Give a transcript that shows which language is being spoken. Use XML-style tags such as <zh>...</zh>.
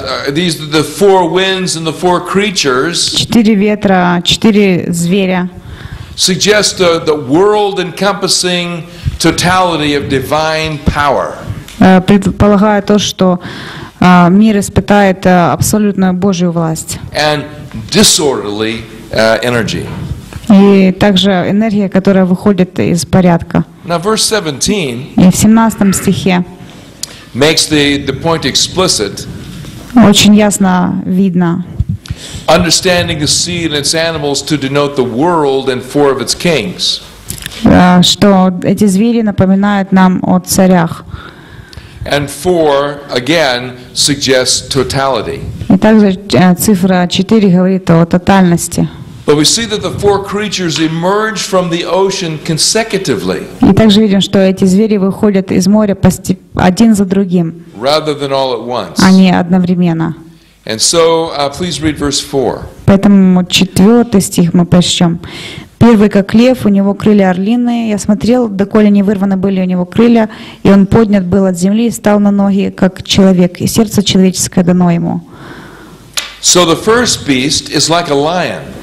<en>These are the four winds and the four creatures.</en> <ru>Четыре ветра, четыре зверя.</ru> <en>Suggest the world encompassing totality of divine power.</en> <ru>Предполагая то, что мир испытает абсолютную Божью власть.</ru> <en>And disorderly energy.</en> <ru>И также энергия, которая выходит из порядка.</ru> <en>Now verse 17.</en> <ru>И в 17 стихе.</ru> <en>Makes the point explicit.</en> <ru>Очень ясно видно.</ru> <en>Understanding the sea and its animals to denote the world and four of its kings.</en> <ru>Что эти звери напоминают нам о царях.</ru> <en>And four again suggests totality.</en> <ru>И также цифра 4 говорит о тотальности.</ru> <en>But we see that the four creatures emerge from the ocean consecutively.</en> <ru>И также видим, что эти звери выходят из моря один за другим.</ru> <en>Rather than all at once.</en> <ru>Они одновременно.</ru> <en>And so, please read verse 4.</en> <ru>Поэтому четвертый стих мы прочтем. Первый как лев, у него крылья орлиные. Я смотрел, доколе не вырваны были у него крылья, и он поднят был от земли и стал на ноги как человек, и сердце человеческое дано ему.</ru> <en>So the first beast is like a lion.</en>